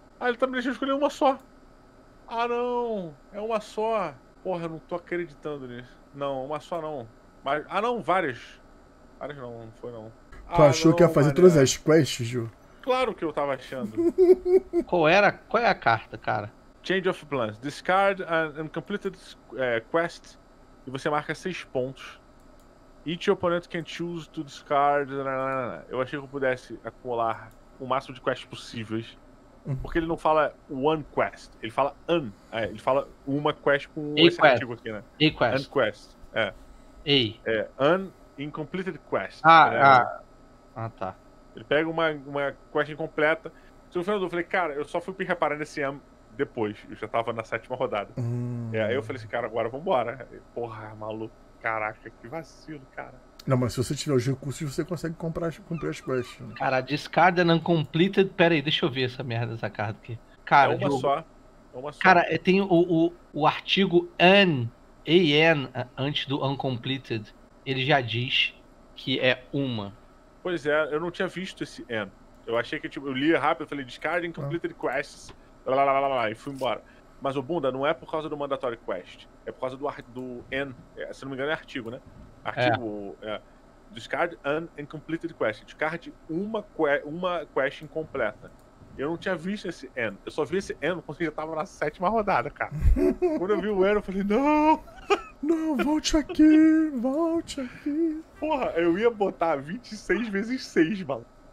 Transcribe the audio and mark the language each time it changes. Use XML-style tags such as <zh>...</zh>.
<pt>Aí ele tá me deixando escolher uma só. Ah não, é uma só. Porra, eu não tô acreditando nisso. Não, uma só não. Mas, ah não, várias. Várias não, não foi não. Tu achou não, que ia fazer todas as quests, Ju? Claro que eu tava achando. Qual é a carta, cara?</pt> <en>Change of plans. Discard an uncompleted quest.</en> <pt>E você marca 6 pontos.</pt> <en>Each opponent can choose to discard.</en> <pt>Eu achei que eu pudesse acumular o máximo de quests possíveis. Porque ele não fala</pt> <en>one quest.</en> <pt>Ele fala ele fala uma quest com esse artigo aqui, né? E quest. Unquest. É. Ei. É</pt> <en>An Incompleted Quest.</en> <pt>Ah, tá. Ele pega uma quest incompleta. Se o Fernando, eu falei, cara, eu só fui me reparar nesse AM depois. Eu já tava na sétima rodada. Aí eu falei assim, cara, agora vambora. Porra, maluco. Caraca, que vacilo, cara. Não, mas se você tiver os recursos, você consegue comprar, cumprir as quests. Né? Cara,</pt> <en>discard an uncompleted.</en> <pt>Pera aí, deixa eu ver essa merda, essa carta aqui. Cara, é uma só. É uma só. Cara, tem o artigo an, A-N, antes do uncompleted. Ele já diz que é uma. Pois é, eu não tinha visto esse an. Eu achei que, tipo, eu li rápido, falei,</pt> <en>discard an uncompleted quests.</en> <pt>Lá, lá, lá, lá, lá, e fui embora. Mas, ô bunda, não é por causa do mandatory quest. É por causa do an. Se não me engano, é artigo, né? Artigo,</pt> <en>discard an incompleted quest.</en> <pt>Discard uma quest incompleta. Eu não tinha visto esse an. Eu só vi esse an porque eu já tava na sétima rodada, cara. Quando eu vi o an, eu falei, não, volte aqui. Porra, eu ia botar 26 vezes 6, mano.</pt>